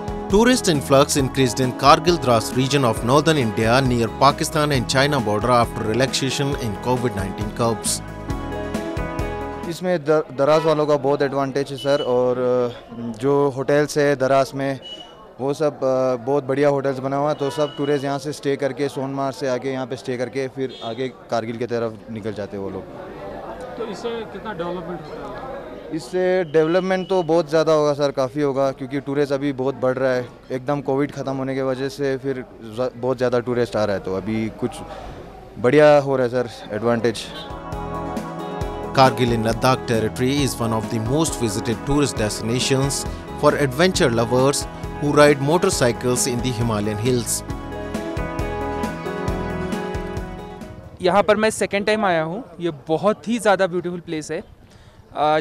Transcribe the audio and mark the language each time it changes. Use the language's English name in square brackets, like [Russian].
[English] Tourist influx increased in Kargil Dras region of northern India near Pakistan and China border after relaxation in COVID-19 curbs. [Hindi] इसमें दराज वालों का बहुत advantage है sir और जो होटल्स है दराज में वो सब बहुत बढ़िया होटल्स बना हुआ है, तो सब टूरिस्ट यहाँ से स्टे करके सोनमार्ग से आगे यहाँ पे स्टे करके फिर आगे कारगिल की तरफ निकल जाते हैं वो लोग। तो इससे कितना डेवलपमेंट होता है? इससे डेवलपमेंट तो बहुत ज़्यादा होगा सर, काफ़ी होगा, क्योंकि टूरिस्ट अभी बहुत बढ़ रहा है, एकदम कोविड ख़त्म होने की वजह से फिर बहुत ज़्यादा टूरिस्ट आ रहा है, तो अभी कुछ बढ़िया हो रहा है sir advantage. [English] Kargil in Ladakh territory is one of the most visited tourist destinations for adventure lovers who ride motorcycles in the Himalayan hills. [Hindi] यहाँ पर मैं [English] second time [Hindi] आया हूँ, ये बहुत ही ज़्यादा [English] beautiful place [Hindi] है।